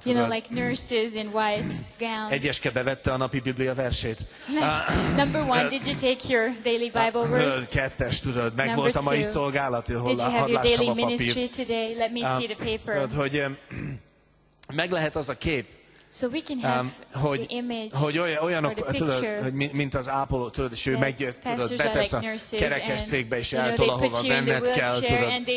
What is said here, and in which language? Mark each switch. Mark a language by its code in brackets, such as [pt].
[en] You know, like nurses in white gowns. [hu] Egyeske bevette a napi Biblia versét. [en] Number one, did you take your daily Bible verse? [hu] Kettes, tudod, meg volt a mai szolgálat, hol a papírt. [en] Let me see the paper. [hu] Hogy meg lehet az a kép. [en] So we can have [hu] hogy, [en] the image [hu] hogy olyanok, [en] or the picture, [hu] tudod, hogy mint az ápoló, tudod, és ő megjött, tudod, betesz a kerekes székbe, és eltol, ahova benned kell, tudod.